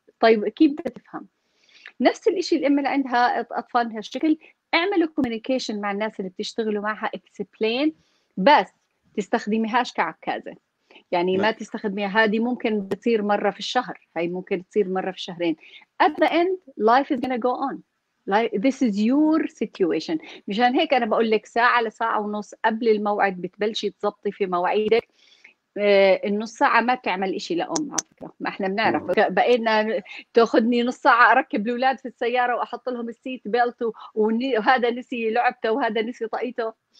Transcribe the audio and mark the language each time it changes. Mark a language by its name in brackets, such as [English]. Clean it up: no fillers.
[Arabic] طيب كيف بدها تفهم؟ نفس الشيء الأم اللي عندها أطفال بهالشكل، اعملوا كوميونيكيشن مع الناس اللي بتشتغلوا معها، اكسبلين، بس تستخدميهاش كعكازة، يعني ما تستخدميها، هذه ممكن تصير مرة في الشهر، هاي ممكن تصير مرة في شهرين. [English] At the end, life is gonna go on. Like, this is your situation. [Arabic] مشان هيك أنا بقول لك ساعة لساعة ونص قبل الموعد بتبلشي تظبطي في مواعيدك. النص ساعة ما بتعمل إشي لأم، على فكرة، ما إحنا بنعرف، بقينا تاخذني نص ساعة أركب الأولاد في السيارة وأحط لهم السيت بيلت، وهذا نسي لعبته وهذا نسي طاقيته.